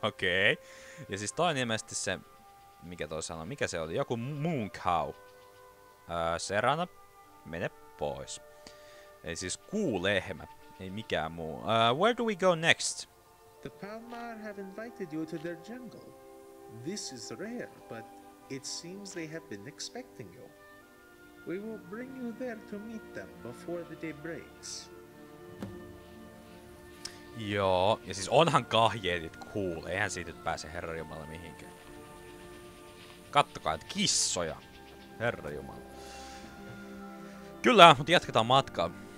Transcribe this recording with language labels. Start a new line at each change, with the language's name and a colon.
Finnish: Okay. Ja siis toi on ilmeisesti se, mikä toi sanoi, mikä se oli, joku moon cow. Serana, mene pois. Ei siis kuu lehmä, ei mikään muu.
English: Where do we go next? The Palmar have invited you to their jungle. This is rare, but it seems they have been expecting you. We will bring you there to meet them before the day breaks.
Finnish: Joo, ja siis onhan kahjeetit cool. Eihän siitä pääse herrajumala mihinkään. Kattokaa, että kissoja. Herrajumala. Kyllä, mutta jatketaan matkaa.